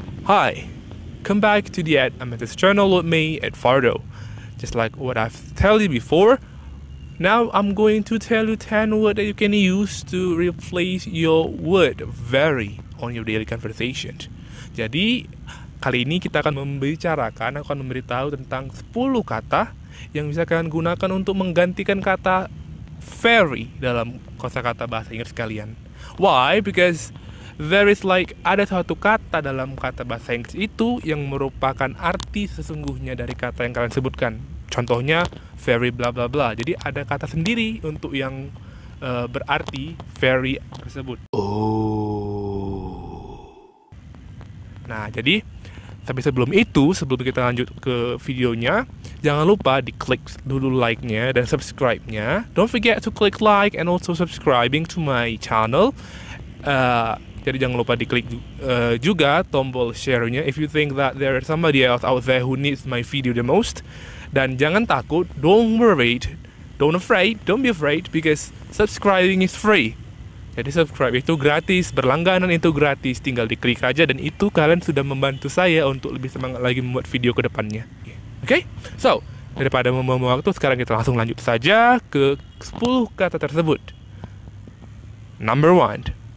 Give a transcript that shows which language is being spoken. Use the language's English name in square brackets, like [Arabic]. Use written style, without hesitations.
[English] Hi, come back to the Ad Amethyst channel with me, Ed Fardo. Just like what I've told you before, now I'm going to tell you 10 words that you can use to replace your word very on your daily conversation. [Indonesian] Jadi, kali ini kita akan membicarakan, aku akan memberitahu tentang 10 kata yang bisa kalian gunakan untuk menggantikan kata very dalam kosakata bahasa Inggris kalian. [English] Why? Because there is like [Indonesian] ada suatu kata dalam kata bahasa Inggris itu yang merupakan arti sesungguhnya dari kata yang kalian sebutkan. Contohnya very bla bla bla. Jadi ada kata sendiri untuk yang berarti very tersebut. Oh. Nah, jadi tapi sebelum itu, sebelum kita lanjut ke videonya, jangan lupa di klik dulu like-nya dan subscribe-nya. [English] Don't forget to click like and also subscribing to my channel. [Indonesian] Jadi jangan lupa diklik juga tombol share-nya [English] if you think that there is somebody else out there who needs my video the most. [Indonesian] Dan jangan takut, [English] don't worry, don't be afraid because subscribing is free. [Indonesian] Jadi subscribe itu gratis, berlangganan itu gratis, tinggal diklik aja dan itu kalian sudah membantu saya untuk lebih semangat lagi membuat video ke depannya. Okay? So, daripada membuang waktu, sekarang kita langsung lanjut saja ke 10 kata tersebut. [English] Number 1.